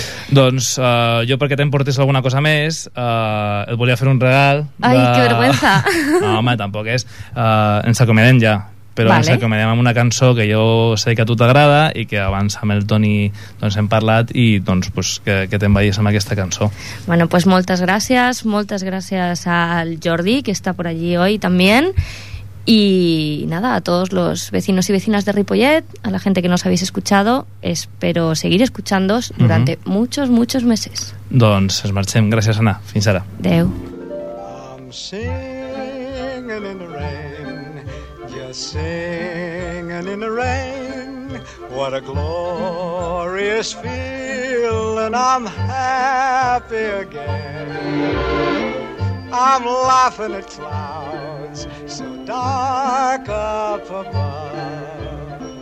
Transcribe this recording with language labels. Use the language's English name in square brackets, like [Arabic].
[Catalan] Doncs jo, perquè t'emportis alguna cosa més, et volia fer un regal. [Spanish] Ai, que vergüenza. [Catalan] No, home, tampoc és. Ens acomiadem ja. Però vale. Ens acomiadem amb una cançó que jo sé que a tu t'agrada i que abans amb el Toni doncs hem parlat, i doncs pues, que t'envaïs amb aquesta cançó. [Spanish] Bueno, pues [Catalan] moltes gràcies [Spanish] al Jordi, que està per allí hoy también, y nada, a todos los vecinos y vecinas de Ripollet, a la gente que nos habéis escuchado, espero seguir escuchándoos durante muchos meses. [Catalan] Doncs ens marxem, gràcies Anna, fins ara. Adéu. [English] I'm singing in the rain. Singing in the rain, what a glorious feeling, I'm happy again. I'm laughing at clouds so dark up above.